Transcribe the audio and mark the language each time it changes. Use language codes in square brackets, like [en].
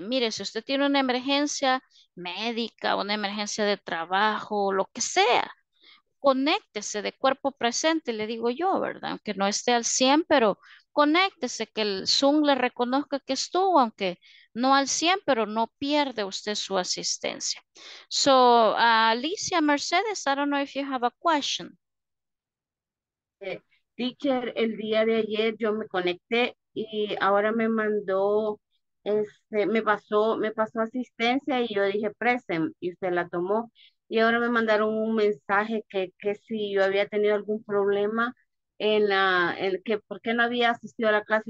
[es] Mire, si usted tiene una emergencia médica, una emergencia de trabajo, lo que sea, conéctese de cuerpo presente, le digo yo, ¿verdad? Aunque no esté al 100, pero conéctese, que el Zoom le reconozca que estuvo, aunque no al 100, pero no pierde usted su asistencia. [en] So, Alicia Mercedes, I don't know if you have a question. [es] Teacher, el día de ayer yo me conecté y ahora me mandó, me pasó asistencia y yo dije present y usted la tomó. Y ahora me mandaron un mensaje que si yo había tenido algún problema en que por qué no había asistido a la clase.